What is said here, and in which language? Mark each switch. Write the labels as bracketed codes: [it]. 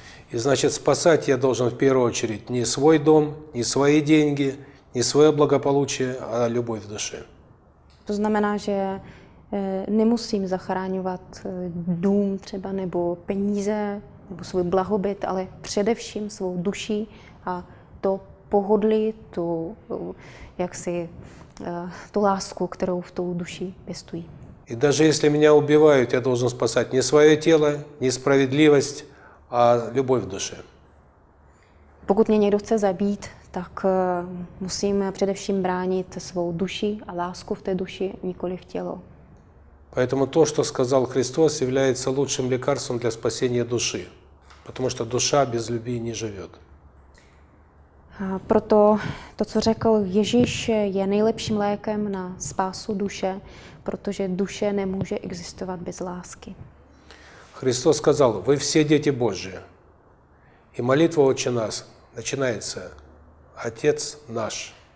[ru] И значит, спасать я должен в первую очередь не свой дом, не свои деньги, не своё благополучие, а любовь в душе. [cs] То znamená, že nemusím zachraňovat dům třeba nebo peníze, nebo svůj blahobyt, ale především svou duši a to pohodlí tu, jaksi, tu lásku, kterou v tou duši pěstují. [ru] I даже если меня убивают, я должен спасать не своё тело, не справедливость, а любовь в душе. [cs] Pokud mě někdo chce zabít, tak musím především bránit svou duši a lásku v té duši, nikoli v tělo. [ru] Поэтому то, что сказал Христос, является лучшим лекарством для спасения души, потому что душа без любви не живёт. [cs] A proto to, co řekl Ježíš, je nejlepším lékem na spásu duše, protože duše nemůže existovat bez lásky. Kristus řekl: "Vy všichni jste děti Boží." A modlitba Otče náš začíná se: "Otec náš."